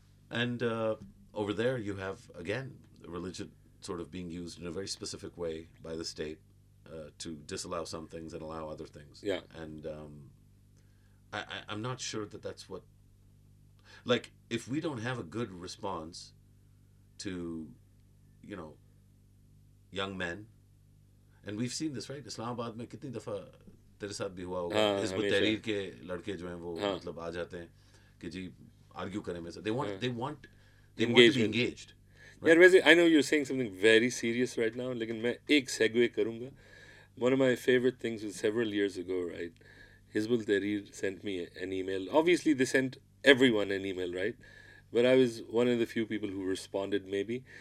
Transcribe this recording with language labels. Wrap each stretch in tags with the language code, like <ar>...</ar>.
<en>And, you know, and over there you have, again, religion sort of being used in a very specific way by the state to disallow some things and allow other things. Yeah. And I'm not sure that that's what, like, if we don't have a good response to, you know, young men, and we've seen this, right?</en> <ur>اسلام آباد میں کتنی دفعہ تیرے ساتھ بھی ہوا ہوگا، حزب تحریر کے لڑکے جو ہیں وہ مطلب آ جاتے ہیں کہ جی آرگیو کرے میرے سے۔</ur> <en>They want to be engaged. Right? Yeah, Rezi, I know you're saying something very serious right now,</en> <ur>lekin main ek segue karunga.</ur> <en>One of my favorite things was several years ago, right? Hizb Tahrir sent me an email. Obviously, they sent everyone an email, right? But I was one of the few people who responded, maybe.</en>